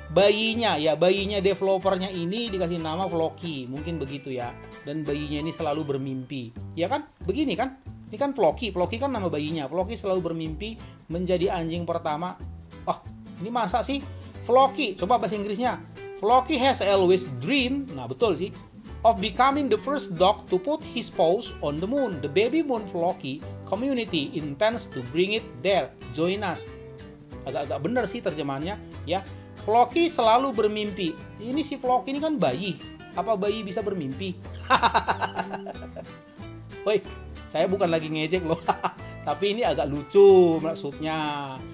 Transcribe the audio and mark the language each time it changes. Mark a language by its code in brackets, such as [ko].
[id] Bayinya developernya ini dikasih nama Flocky. Mungkin begitu ya. Dan bayinya ini selalu bermimpi. Ya kan? Begini kan? Ini kan Flocky. Flocky kan nama bayinya. Flocky selalu bermimpi menjadi anjing pertama. Oh, ini masa sih? Flocky. Coba bahasa Inggrisnya. [en] Flocky has always dreamed. [id] Nah, betul sih. [en] Of becoming the first dog to put his paws on the moon. The Baby Moon Flocky community intends to bring it there. Join us. [id] Agak-agak benar sih terjemahannya, ya. Flocky selalu bermimpi. Ini si Flocky ini kan bayi. Apa bayi bisa bermimpi? Woi, saya bukan lagi ngejek loh. Tapi ini agak lucu maksudnya.